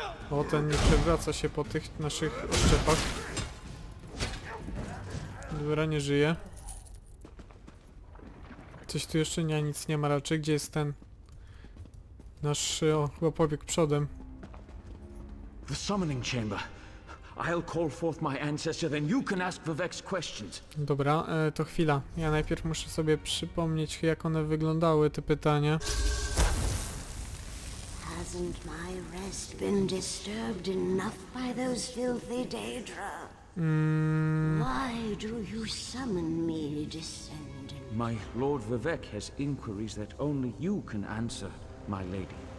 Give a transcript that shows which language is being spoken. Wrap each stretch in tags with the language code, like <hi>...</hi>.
<pl>O, ten nie przewraca się po tych naszych oszczepach. Dobra, nie żyje. Coś tu jeszcze nie, nic nie ma raczej. Gdzie jest ten nasz, o, chyba pobieg przodem.</pl> <en>The summoning chamber. I'll call forth my ancestor, then you can ask Vivek questions.</en> <pl>Dobra, to chwila. Ja najpierw muszę sobie przypomnieć, jak one wyglądały, te pytania.</pl> <en>Hasn't my rest been disturbed enough by those filthy Daedra? Why do you summon me, descendant? My lord Vivek has inquiries that only you can answer, my lady.</en>